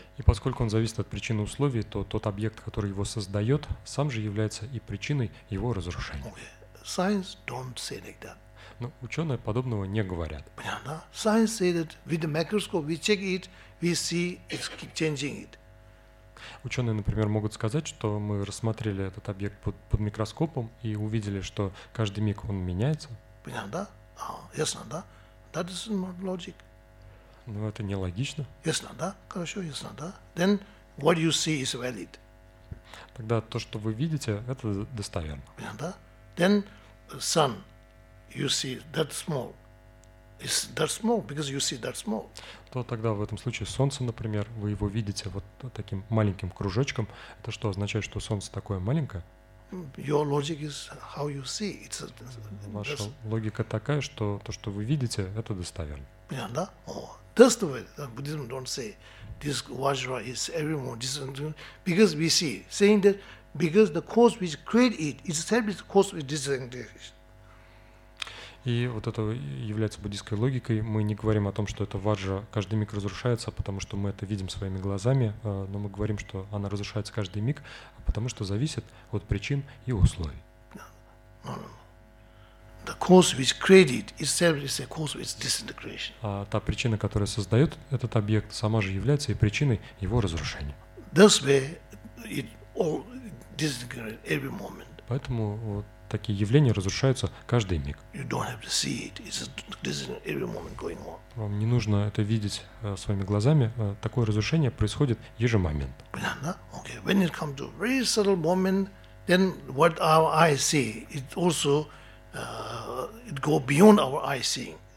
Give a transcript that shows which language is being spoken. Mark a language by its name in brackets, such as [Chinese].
[Russian] И поскольку он зависит от причин и условий, то тот объект, который его создает, сам же является и причиной его разрушения. [English] Okay. Science don't say like that. [Russian] Но ученые подобного не говорят. Понятно? [English] Science say that with the microscope we check it, we see it's keep changing it. [Russian] Ученые, например, могут сказать, что мы рассмотрели этот объект под микроскопом и увидели, что каждый миг он меняется. Понятно? А, ясно, да? [English] That is not logic. [Russian] Но это нелогично. Ясно, да? Хорошо, ясно, да? [English] Then what you see is valid. [Russian] Тогда то, что вы видите, это достоверно. Понятно? [English] Then sun. You see that small. It's that small because you see that small. [Russian] То тогда в этом случае солнце, например, вы его видите вот таким маленьким кружочком. Это что означает, что солнце такое маленькое? [English] Your logic is how you see. It's a, [Russian] ваша логика такая, что то, что вы видите, это достоверно. Yeah, да? [English] Oh, that's the way that Buddhism don't say this vajra is every moment because we see, saying that because the cause which create it itself is the cause which disintegration. [Russian] И вот это является буддийской логикой. Мы не говорим о том, что эта ваджа каждый миг разрушается, потому что мы это видим своими глазами, но мы говорим, что она разрушается каждый миг, потому что зависит от причин и условий. [English] The cause which created itself is a cause which disintegration. [Russian] А та причина, которая создает этот объект, сама же является и причиной его разрушения. [English] This way it all disintegrates every moment. [Russian] Поэтому вот такие явления разрушаются каждый миг. [English] You don't have to see it. It's every moment going on. [Russian] Вам не нужно это видеть своими глазами. Такое разрушение происходит ежемомент. Понятно? Okay. [English] When it comes to very subtle moment, then what our eyes see, it also it go beyond our eyes seeing.